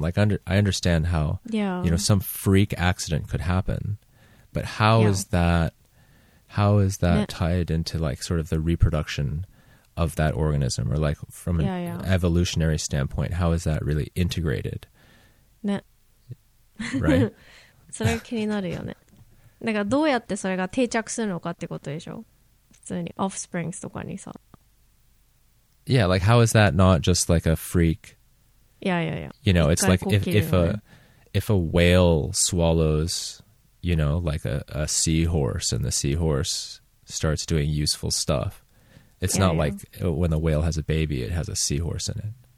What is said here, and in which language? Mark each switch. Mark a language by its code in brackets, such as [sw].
[en] Like, I understand how, you know, some freak accident could happen, but how is that tied into like sort of the reproduction of that organism, or like from an evolutionary standpoint, how is that really integrated? Right. [ja] それ気になるよね。だからどうやってそれが定着するのかってことでしょ。普通に offsprings とかにさ。 [en] Yeah, like how is that not just like a freak? Yeah. You know, it's like if a whale swallows, you know, like a seahorse, and the seahorse starts doing useful stuff. It's not like when the whale has a baby, it has a seahorse in it.